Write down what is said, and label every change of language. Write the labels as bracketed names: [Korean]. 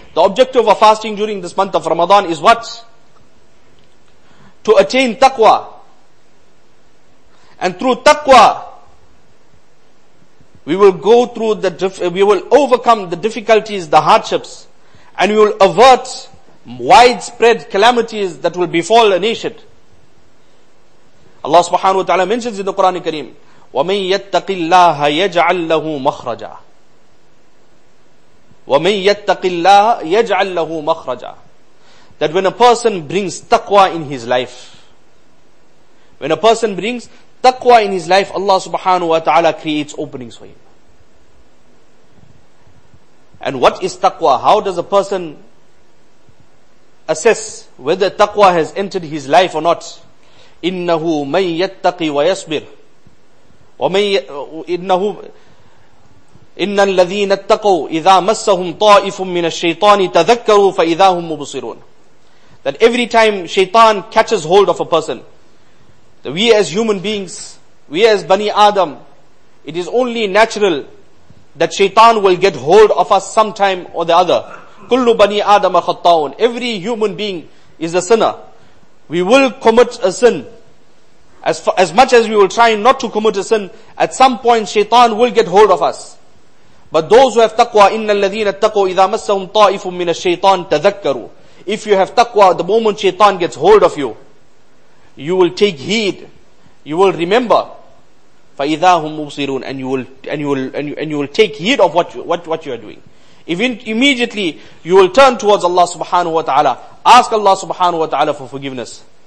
[English] The objective of fasting during this month of Ramadan is what? To attain taqwa. And through taqwa, we will go through we will overcome the difficulties, the hardships, and we will avert widespread calamities that will befall a nation. Allah subhanahu wa ta'ala mentions in the Quran Kareem, [Arabic] وَمَنْ يَتَّقِ اللَّهَ يَجْعَلْ لَهُ مَخْرَجًا وَمَنْ يَتَّقِ اللَّهَ يَجْعَلْ لَهُ مَخْرَجًا. [English] That when a person brings taqwa in his life, when a person brings taqwa in his life, Allah subhanahu wa ta'ala creates openings for him. And what is taqwa? How does a person assess whether taqwa has entered his life or not? [Arabic] إِنَّهُ مَنْ يَتَّقِ وَيَصْبِرْ وَإِنَّهُ إِنَّ الَّذِينَ اتَّقُوا إِذَا مَسَّهُمْ طَائِفٌ مِّنَ الشَّيْطَانِ تَذَكَّرُوا فَإِذَا هُمْ مُبُصِرُونَ. [English] That every time shaitan catches hold of a person, that we as human beings, we as Bani Adam, it is only natural that shaitan will get hold of us sometime or the other. [Arabic] كُلُّ بَنِي آدَمَ خَطَّاؤُونَ. [English] Every human being is a sinner. We will commit a sin. As much as we will try not to commit a sin, at some point shaitan will get hold of us. But those who have taqwa, [Arabic] إِنَّ الَّذِينَ اتَّقُوا إِذَا مَسَّهُمْ طَائِفٌ مِّنَ الشَّيْطَانِ تَذَكَّرُوا. [English] If you have taqwa, the moment shaitan gets hold of you, you will take heed. You will remember. [Arabic] فَإِذَا هُمْ مُبْصِرُونَ. [English] And you will take heed of what you are doing. Even immediately, you will turn towards Allah subhanahu wa ta'ala. Ask Allah subhanahu wa ta'ala for forgiveness.